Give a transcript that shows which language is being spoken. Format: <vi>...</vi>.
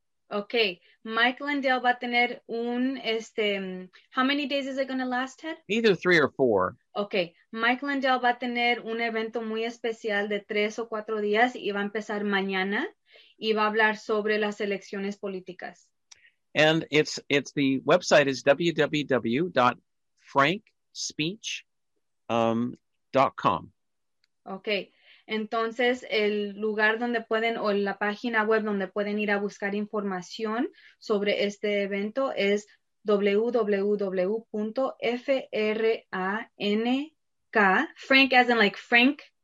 <en>Okay.</en> <es>Mike Lindell va a tener un,</es> <en>how many days is it going to last, Ted? Either three or four. Okay.</en> <es>Mike Lindell va a tener un evento muy especial de tres o cuatro días y va a empezar mañana y va a hablar sobre las elecciones políticas.</es> <en>And it's the website is www.frankspeech.com. Okay.</en> <es>Entonces, el lugar donde pueden, o la página web donde pueden ir a buscar información sobre este evento es www.frank,</es> <en>Frank as in like Frank.</en>